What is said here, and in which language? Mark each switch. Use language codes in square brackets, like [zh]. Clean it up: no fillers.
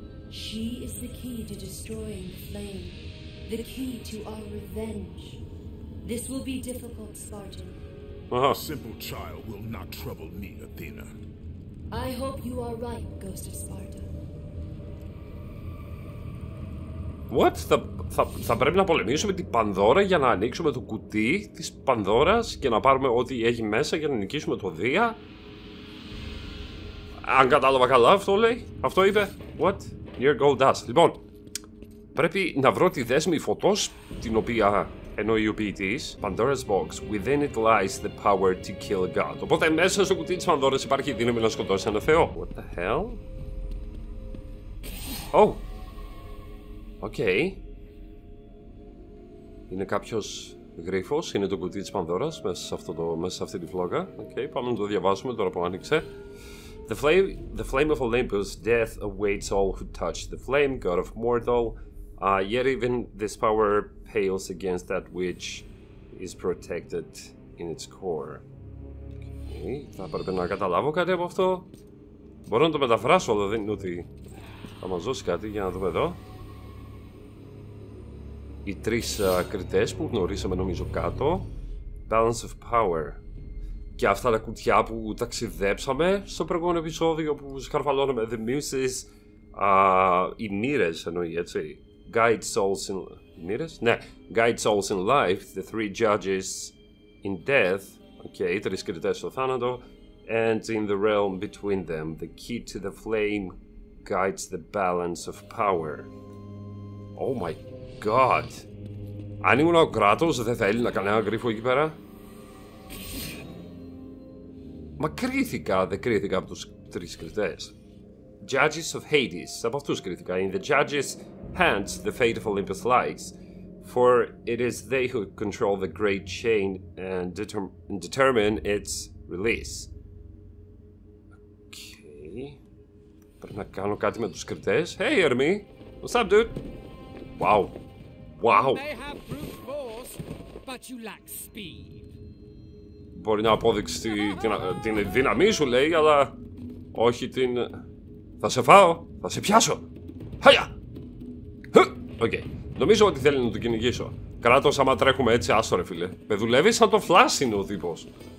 [en] She is the key to destroying the flame. The key to our revenge. This will be difficult, Spartan. A simple child will not trouble me, Athena. I hope you are right, Ghost of Sparta. What? [el] Θα πρέπει να πολεμήσουμε την Πανδώρα για να ανοίξουμε το κουτί της Πανδώρας και να πάρουμε ό,τι έχει μέσα για να νικήσουμε το Δία? Αν κατάλαβα καλά, αυτό λέει. Αυτό είπε. [en] What? Near gold dust. [el] Λοιπόν, πρέπει να βρω τη δέσμη φωτός την οποία εννοεί ο ποιητής. [en] Pandora's box. Within it lies the power to kill a god. [el] Οπότε μέσα στο κουτί της Πανδώρας υπάρχει η δύναμη να σκοτώσει ένα θεό. [en] What the hell? Oh. Okay. [el] Είναι κάποιος γρίφος. Είναι το κουτί της Πανδώρας μέσα σε αυτό το, μέσα σε αυτή τη φλόγα. Okay, πάμε να το διαβάσουμε τώρα που άνοιξε. [en] The flame of Olympus, death awaits all who touch the flame, god of mortal. Yet even this power pales against that which is protected in its core. [el] Okay, θα πρέπει να καταλάβω κάτι από αυτό. Μπορώ να το μεταφράσω, αλλά δεν είναι ότι θα μας δώσει κάτι. Για να δούμε εδώ. Οι τρεις κριτές που γνωρίσαμε νομίζω κάτω. [en] Balance of power. [el] Και αυτά τα κουτιά που ταξιδέψαμε στο προηγούμενο επεισόδιο που σκαρφαλώναμε. [en] The Muses. [el] Οι μοίρες εννοεί, έτσι. [en] Guide souls in. [el] Μοίρες? Ναι. [en] Guide souls in life. The three judges in death. [el] Okay, τρεις κριτές στο θάνατο. [en] And in the realm between them. The key to the flame guides the balance of power. Oh my god. [el] Αν ήμουν ο Κράτος, δεν θα έλυνα κανένα γρίφο εκεί πέρα. Μα κρίθηκα, δεν κρίθηκα από τους τρεις κριτές. [en] Judges of Hades, [el] από αυτούς κρίθηκα. [en] In the judges' hands, the fate of Olympus lies. For it is they who control the great chain and determine its release. Okay. [el] Πρέπει να κάνω κάτι με τους κριτές. [en] Hey, Ερμή! What's up, dude? Wow. Wow. They have brute force, but you lack speed. [el] Μπορεί να αποδείξει την δύναμή σου, λέει, αλλά όχι την... Θα σε φάω! Θα σε πιάσω! Χαλιά! Okay. Νομίζω ότι θέλει να το κυνηγήσω. Κράτος, άμα τρέχουμε έτσι, άστο ρε φίλε. Με δουλεύει σαν το Flash είναι ο τύπος.